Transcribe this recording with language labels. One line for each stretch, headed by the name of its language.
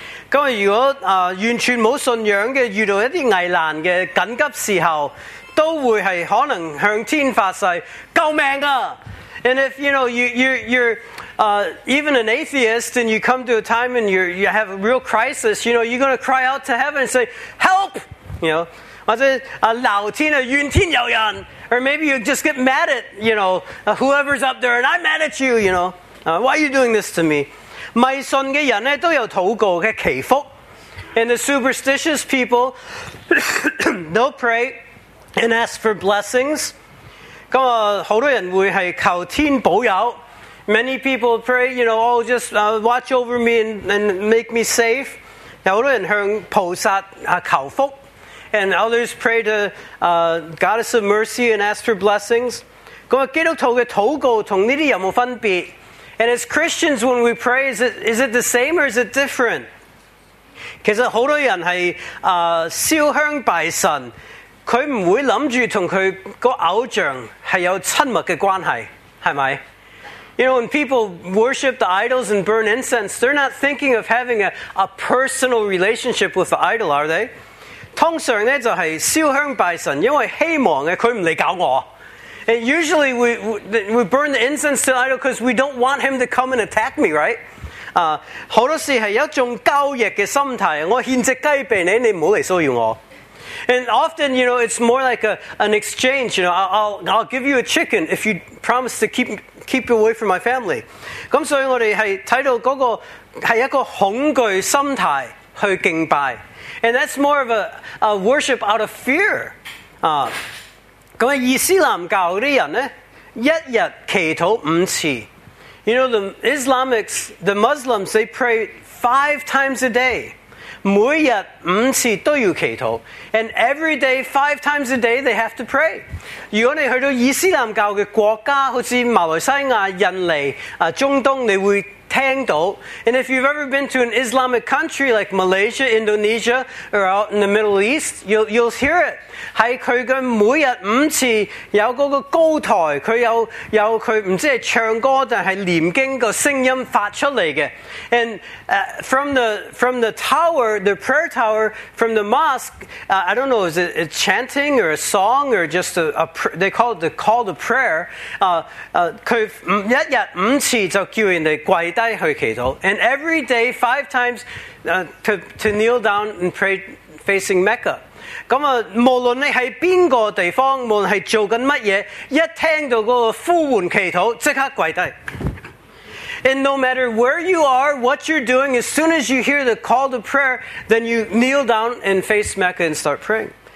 Cantonese: 咁如果完全冇信仰嘅，遇到一啲危难嘅紧急时候，都会系可能向天发誓救命啊！
English: And if you know you're even an atheist and you come to a time and you have a real crisis, you know you're going to cry out to heaven and say, "Help!"
Cantonese: You know, 或者老天啊，怨天尤人。
English: Or maybe you just get mad at, you know, whoever's up there and I'm mad at you, you know. Why are you doing this to me?
Cantonese: 迷信嘅人都有祷告嘅祈福。
English: And the superstitious people, they'll pray and ask for blessings.
Cantonese: 咁好多人会系求天保佑。
English: Many people pray, you know, oh, just watch over me and make me safe.
Cantonese: 有好多人向菩萨求福。
English: And others pray to Goddess of Mercy and ask for blessings.
Cantonese: 咁基督徒嘅祷告同呢啲有冇分别？
English: And as Christians, when we pray, is it the same or is it different?
Cantonese: 其实好多人系烧香拜神，佢唔会谂住同佢个偶像系有亲密嘅关系，系咪？
English: You know, when people worship the idols and burn incense, they're not thinking of having a personal relationship with the idol, are they?
Cantonese: 通常咧就系烧香拜神，因为希望佢唔嚟搞我。
English: And usually we burn the incense to the idol because we don't want him to come and attack me, right?
Cantonese: 好多时系有一种交易嘅心态，我献只鸡俾你，你唔好嚟骚扰我。
English: And often, you know, it's more like an exchange. You know, I'll give you a chicken if you promise to keep away from my family.
Cantonese: 咁所以我哋系睇到嗰个系一个恐惧心态去敬拜。
English: And that's more of a worship out of fear.
Cantonese: 咁伊斯兰教嗰啲人咧，一日祈祷五次。
English: You know the Muslims they pray 5 times a day.
Cantonese: 每日五次都要祈祷。
English: And every day 5 times a day they have to pray.
Cantonese: 如果你去到伊斯兰教嘅国家，好似马来西亚、印尼、中东，你会。
English: And if you've ever been to an Islamic country like Malaysia, Indonesia, or out in the Middle East, you'll hear it.
Cantonese: 喺佢嘅每日五次有嗰个高台，佢有佢唔知系唱歌定系念经个声音发出嚟嘅。
English: And from the tower, the prayer tower from the mosque, I don't know, is it a chanting or a song or just they call it the call to prayer.
Cantonese: 佢一日五次就叫人哋跪。
English: And every day, 5 times, to kneel down and pray facing Mecca.
Cantonese: 咁啊，无论你系边个地方，无论系做紧乜嘢，一听到嗰个呼唤祈祷，即刻跪低。
English: And no matter where you are, what you're doing, as soon as you hear the call to prayer, then you kneel down and face Mecca and start praying.